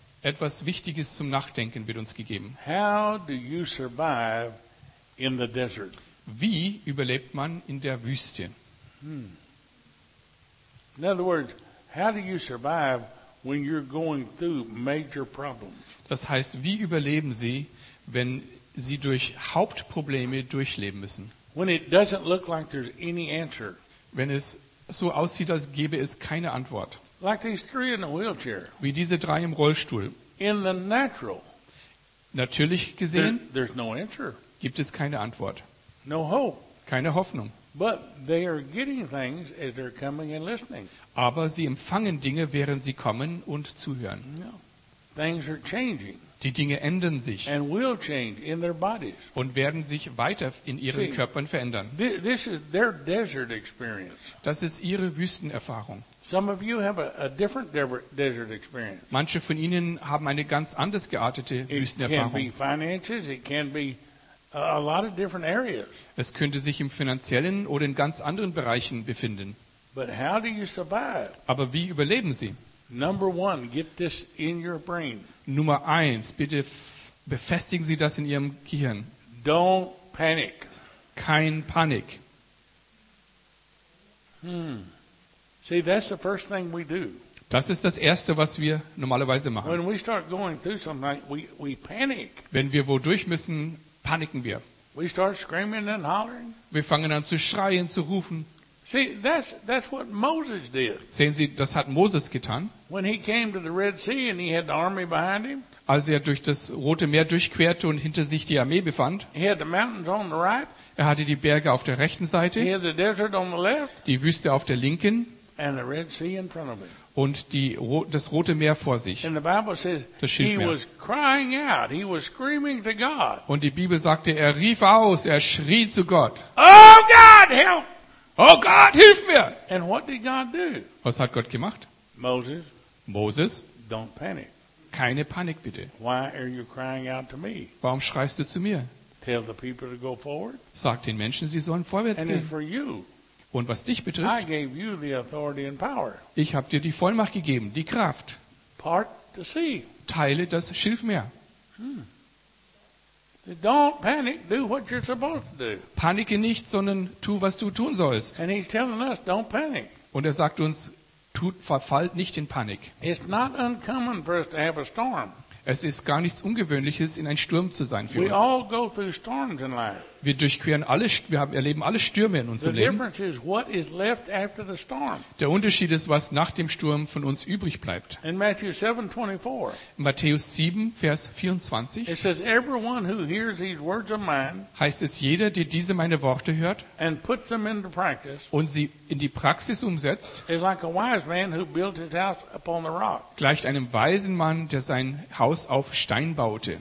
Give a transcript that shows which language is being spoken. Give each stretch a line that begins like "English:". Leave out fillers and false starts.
German: Etwas Wichtiges zum Nachdenken wird uns gegeben.
English: How do you survive in the desert?
German: Wie überlebt man in der Wüste?
English: In other words, how do you survive when you're going through major problems?
German: Das heißt, wie überleben Sie, wenn Sie durch Hauptprobleme durchleben müssen?
English: When it doesn't look like there's any answer.
German: Wenn es so aussieht, als gäbe es keine Antwort.
English: Like these three in a wheelchair.
German: Wie diese drei im Rollstuhl.
English: In the natural,
German: natürlich gesehen
English: there's no answer.
German: Gibt es keine Antwort.
English: No hope.
German: Keine Hoffnung.
English: But they are getting things as they're coming and listening.
German: Aber sie empfangen Dinge, während sie kommen und zuhören.
English: No. Things are changing.
German: Die Dinge ändern sich
English: and will change in their bodies.
German: Und werden sich weiter in ihren Körpern verändern.
English: This is their desert experience.
German: Das ist ihre Wüstenerfahrung.
English: Some of you have a different desert experience.
German: Manche von Ihnen haben eine ganz anders geartete Wüstenerfahrung.
English: It can be finances, it can be a lot of different areas.
German: Es könnte sich im Finanziellen oder in ganz anderen Bereichen befinden.
English: But how do you survive?
German: Aber wie überleben Sie?
English: Number one, get this in your brain.
German: Nummer eins, bitte befestigen Sie das in Ihrem Gehirn.
English: Don't panic.
German: Kein Panik.
English: See, that's the first thing we do.
German: Das ist das Erste, was wir normalerweise machen.
English: When we start going through something, we panic.
German: Wenn wir wo durch müssen, paniken wir.
English: We start screaming and hollering.
German: Wir fangen an zu schreien, zu rufen.
English: See, that's what Moses did.
German: Sehen Sie, das hat Moses getan.
English: When he came to the Red Sea and he had the army behind him.
German: Als er durch das Rote Meer durchquerte und hinter sich die Armee befand.
English: He had the mountains on the right.
German: Er hatte die Berge auf der rechten Seite.
English: He had the desert on the left.
German: Die Wüste auf der linken.
English: And the Red Sea in front of him.
German: Und das Rote Meer vor sich.
English: And the Bible says he was crying out. He was screaming to God.
German: Und die Bibel sagte, er rief aus, er schrie zu Gott.
English: Oh God, help!
German: Oh Gott, hilf mir!
English: And what did God do?
German: Was hat Gott gemacht?
English: Moses, don't panic.
German: Keine Panik bitte.
English: Why are you crying out to me?
German: Warum schreist du zu mir?
English: Tell the people to go forward.
German: Sag den Menschen, sie sollen vorwärts
English: and
German: gehen.
English: For you,
German: Und was dich betrifft,
English: I gave you the authority and power.
German: Ich habe dir die Vollmacht gegeben, die Kraft.
English: Part the sea.
German: Teile das Schilfmeer.
English: Don't panic, do what you're supposed to do.
German: Panike nicht, sondern tu, was du tun sollst.
English: And he's telling us, don't panic.
German: Und er sagt uns, verfallt nicht in Panik.
English: It's not uncommon for us to have a storm.
German: Es ist gar nichts Ungewöhnliches, in einem Sturm zu sein für
English: we
German: uns.
English: All go through storms in life.
German: Wir durchqueren alle, erleben alle Stürme in unserem
English: the
German: Leben.
English: Difference is what is left after the storm.
German: Der Unterschied ist, was nach dem Sturm von uns übrig bleibt.
English: In Matthew 7, 24,
German: in Matthäus 7, Vers 24
English: it says, everyone who hears these words of mine,
German: heißt es, jeder, der diese meine Worte hört
English: and puts them into practice,
German: und sie in die Praxis umsetzt,
English: is like a wise man who built his house upon the rock.
German: Gleicht einem weisen Mann, der sein Haus auf Stein baute.